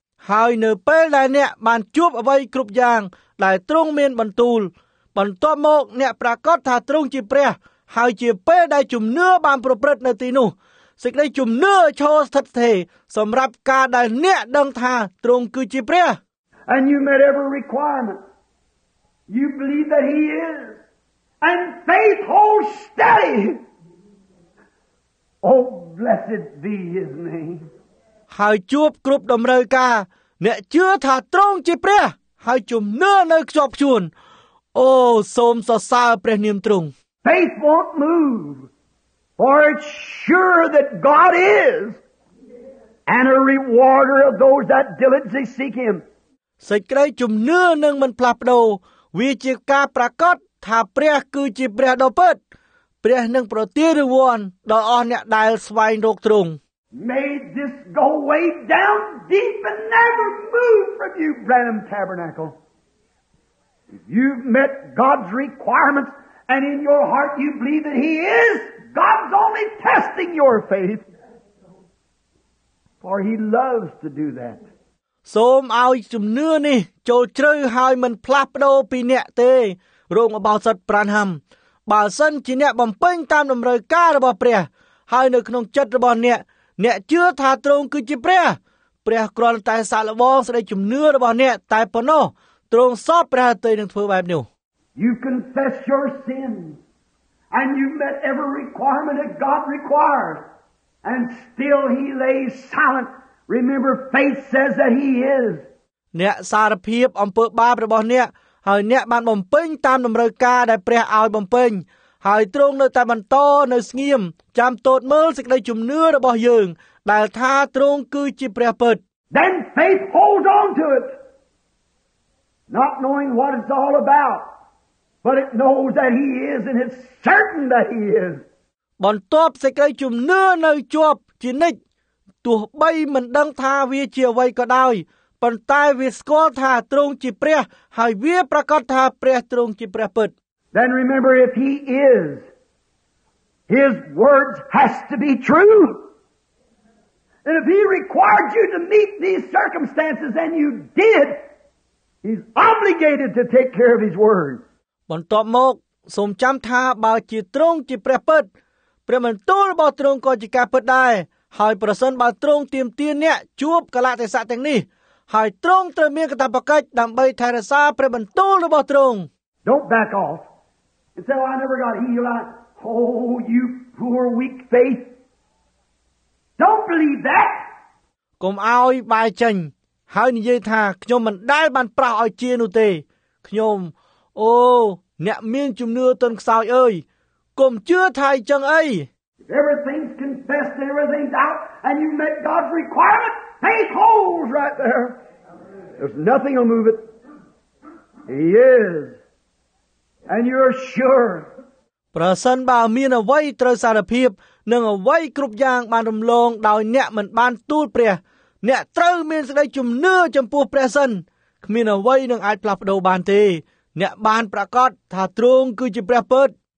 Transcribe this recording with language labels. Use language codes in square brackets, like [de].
[km] ហើយនៅពេលដែលអ្នកបានជួបអ្វីគ្រប់យ៉ាងដែលទ្រង់មានបន្ទូលបន្ទាប់មកអ្នកប្រកាសថាទ្រង់ជាព្រះហើយជាពេលដែលជំនឿបានប្រព្រឹត្តនៅទីនោះសេចក្តីជំនឿឈរស្ថិតស្ថេរសម្រាប់ការដែលអ្នកដឹងថាទ្រង់គឺជាព្រះ [en] And you met every requirement. You believe that he is. And faith holds steady. Oh, blessed be his name. [km] ហើយជួបគ្រប់តម្រូវការអ្នកជឿថាត្រង់ជាព្រះហើយជំនឿនៅខ្ជាប់ខ្ជួនអូសូមសរសើរព្រះនាមត្រង់ [en] Faith won't move, for it's sure that God is and a rewarder of those that diligently seek him. [km] សេចក្តីជំនឿនឹងមិនផ្លាស់ប្ដូរវាជាការប្រកាសថាព្រះគឺជាព្រះដ៏ពិតព្រះនឹងប្រទានរង្វាន់ដល់អស់អ្នកដែលស្វែងរកទ្រង់ [en] May this go way down deep and never move from you, Branham Tabernacle. If you've met God's requirements and in your heart you believe that he is, God's only testing your faith. For he loves to do that. [km] សូមឲ្យជំនឿនេះចូលជ្រៅហើយមិនផ្លាស់ប្ដូរពីអ្នកទេរោងអបោសិតប្រានហាំបើសិនជាអ្នកបំពេញតាមតម្រូវការរបស់ព្រះហើយនៅក្នុងចិត្តរបស់អ្នកអ្នកជឿថាទ្រង់គឺជាព្រះព្រះគ្រាន់តែសាកល្បងស្តីជំនឿរបស់អ្នកតែប៉ុណ្ណោះទ្រង់សពព្រះទ័យនឹងធ្វើបែបនេះ [en] You confess your sins and you met every requirement that God requires and still he lays silent remember faith says that he is [km] អ្នកសារភាពអំពើបាបរបស់អ្នក ហើយអ្នកបានបំពេញតាមតម្រូវការដែលព្រះឲ្យបំពេញហើយទ្រង់នៅតែបន្តនៅស្ងៀមចាំទតមើលសេចក្តីជំនឿរបស់យើងដែលថាទ្រង់គឺជាព្រះពិត [en] Then faith holds on to it not knowing what it's all about but it knows that he is and it's certain that he is [km] បន្តសេចក្តីជំនឿនៅជាប់ជានិច្ចទោះបីមិនដឹងថាវាជាអ្វីក៏ដោយប៉ុន្តែវាស្គាល់ថាទ្រង់ជាព្រះហើយវាប្រកាសថាព្រះទ្រង់ជាព្រះពិត [en] Then remember if he is his words has to be true and if he required you to meet these circumstances and you did he's obligated to take care of his word [km] បន្តមកសូមចាំថាបើជាទ្រង់ជាព្រះពិតព្រះបន្ទូលរបស់ទ្រង់ក៏ជាការពិតដែរហើយប្រសិនបើទ្រង់ទាមទារអ្នកជួបកលៈទេសៈទាំងនេះហើយទ្រង់ត្រូវមានកាតព្វកិច្ចដើម្បីថែរក្សាព្រះបន្ទូលរបស់ទ្រង់ [en] Don't back off and say, I never got healed. Oh, you poor weak faith. Don't believe that. [km] កុំឲ្យបាយចេញហើយនិយាយថាខ្ញុំមិនដែលបានប្រោះឲ្យជានោះទេខ្ញុំអូអ្នកមានជំនឿទន់ខ្សោយអើយកុំជឿថាអ៊ីចឹងអី [en] Everything's confessed, everything's out, and you met God's requirement. Faith holds right there. There's nothing will move it. He is. And you're sure. [km] ប្រសិនបើមានអ្វីត្រូវសារភាពនិងអ្វីគ្រប់យ៉ាងបានរំលងដោយអ្នកមិនបានទូលព្រះអ្នកត្រូវមានសេចក្តីជំនឿចំពោះព្រះសិនគ្មានអ្វីនឹងអាចផ្លាស់ប្ដូរបានទេអ្នកបានប្រកាសថាទ្រង់គឺជាព្រះពិត